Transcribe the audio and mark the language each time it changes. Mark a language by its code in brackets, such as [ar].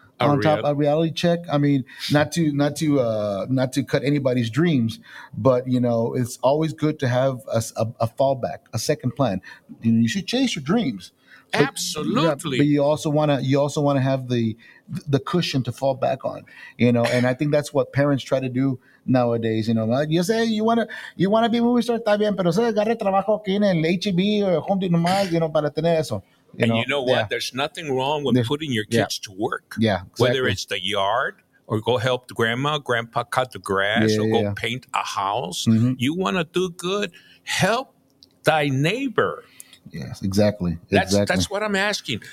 [en] on top of Reality Check. I mean, not to cut anybody's dreams, but you know, it's always good to have a fallback, a second plan. You know, you should chase your dreams. Absolutely. But you also want to have the cushion to fall back on, you know, and I think that's what parents try to do nowadays. You know, like you say you want to be a movie star, [es] está bien, pero se agarre trabajo aquí en el HEB [en] or Home Depot nomás, you know, [es] para tener eso. [en] You know what? Yeah. There's nothing wrong with putting your kids to work. Yeah. Exactly. Whether it's the yard or go help the grandma, grandpa cut the grass or go paint a house. Mm-hmm. You want to do good, help thy neighbor. Yes, exactly. That's what I'm asking.